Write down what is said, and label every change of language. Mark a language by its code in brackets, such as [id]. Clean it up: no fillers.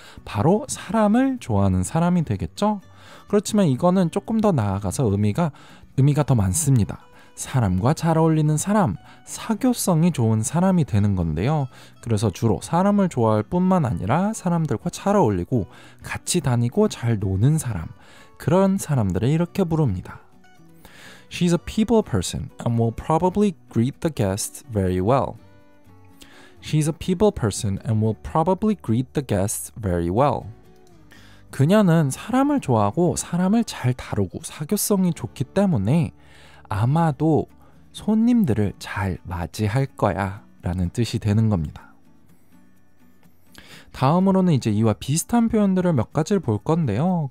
[ko] 바로 사람을 좋아하는 사람이 되겠죠? 그렇지만 이거는 조금 더 나아가서 의미가 더 많습니다. 사람과 잘 어울리는 사람, 사교성이 좋은 사람이 되는 건데요. 그래서 주로 사람을 좋아할 뿐만 아니라 사람들과 잘 어울리고 같이 다니고 잘 노는 사람, 그런 사람들을 이렇게 부릅니다. [en] She's a people person and will probably greet the guests very well. She's a people person and will probably greet the guests very well. [ko] 그녀는 사람을 좋아하고 사람을 잘 다루고 사교성이 좋기 때문에 아마도 손님들을 잘 맞이할 거야 라는 뜻이 되는 겁니다. 다음으로는 이제 이와 비슷한 표현들을 몇 가지를 볼 건데요.